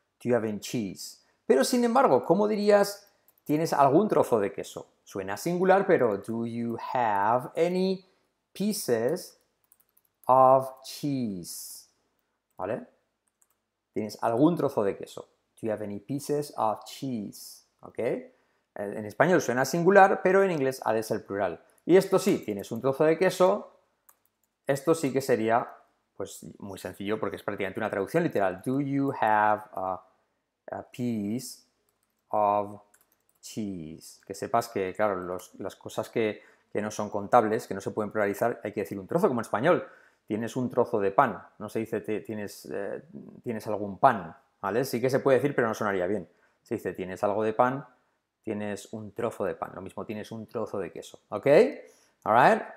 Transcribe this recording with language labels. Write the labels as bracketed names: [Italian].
[English] Do you have any cheese? [Spanish] Pero sin embargo, ¿cómo dirías tienes algún trozo de queso? Suena singular, pero [English] do you have any pieces of cheese? [Spanish] ¿Vale? ¿Tienes algún trozo de queso? [English] Do you have any pieces of cheese? [Spanish] ¿Ok? En español suena singular, pero en inglés ha de ser plural. Y esto sí, tienes un trozo de queso. Esto sí que sería, pues, muy sencillo porque es prácticamente una traducción literal. [English] Do you have a piece of cheese? [Spanish] Que sepas que, claro, las cosas que no son contables, que no se pueden pluralizar, hay que decir un trozo, como en español. Tienes un trozo de pan. No se dice tienes algún pan, ¿vale? Sí que se puede decir, pero no sonaría bien. Se dice tienes algo de pan, tienes un trozo de pan. Lo mismo tienes un trozo de queso, ¿ok? [English] All right.